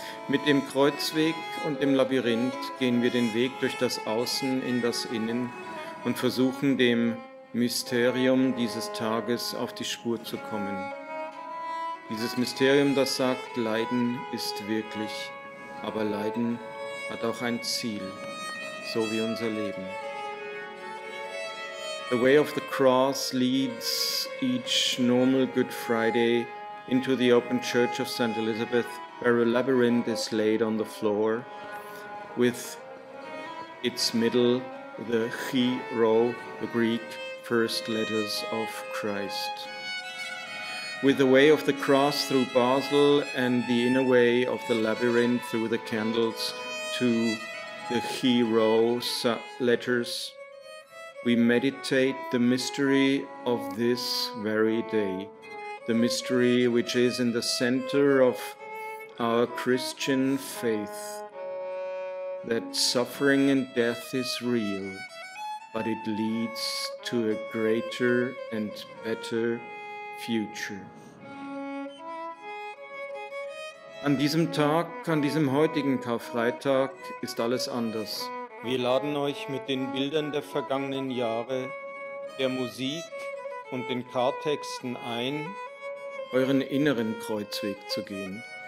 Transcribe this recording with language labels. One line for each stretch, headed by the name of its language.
German: Mit dem Kreuzweg und dem Labyrinth gehen wir den Weg durch das Außen in das Innen und versuchen, dem Mysterium dieses Tages auf die Spur zu kommen. Dieses Mysterium, das sagt, Leiden ist wirklich, aber Leiden hat auch ein Ziel, so wie unser Leben.
English: The way of the cross leads each normal Good Friday into the open church of St. Elizabeth, where a labyrinth is laid on the floor with its middle, the Chiro, the Greek first letters of Christ. With the way of the cross through Basel and the inner way of the labyrinth through the candles to the Chiro letters, we meditate the mystery of this very day, the mystery which is in the center of our Christian faith, that suffering and death is real, but it leads to a greater and better future.
German: An diesem Tag, an diesem heutigen Karfreitag, ist alles anders. Wir laden euch mit den Bildern der vergangenen Jahre, der Musik und den Karttexten ein, euren inneren Kreuzweg zu gehen.